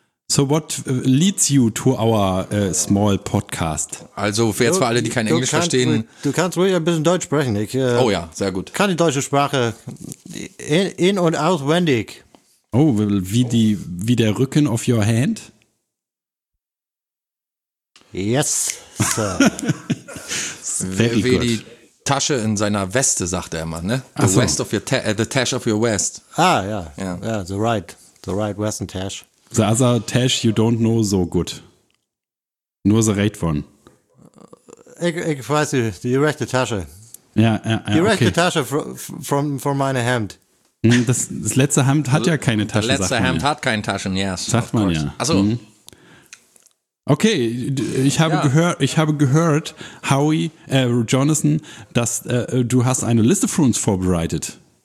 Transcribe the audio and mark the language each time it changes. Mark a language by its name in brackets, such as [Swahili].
[English] So what leads you to our small podcast? [German] Also für jetzt für alle, die kein Englisch verstehen. Du kannst ruhig ein bisschen Deutsch sprechen. Ich, oh ja, sehr gut. Kann die deutsche Sprache in- und auswendig. Oh, wie der Rücken [English] of your hand? Yes, sir. Very good. [German] Wie die Tasche in seiner Weste, sagt er immer, ne? [English] The tash of your west. Ah, ja. Yeah. Yeah, the right western tash. The other tash you don't know so good. [German] Nur [English] the right one. [German] Ich weiß die rechte Tasche. Ja, die rechte okay. Tasche [English] from [German] meine Hemd. Das letzte Hemd hat ja keine Taschen. Letzte Hemd hat keine Taschen, yes. Sagt man ja. Achso. Mhm. Okay, ich habe gehört, Jonathan, dass du hast eine Liste für uns vorbereitet.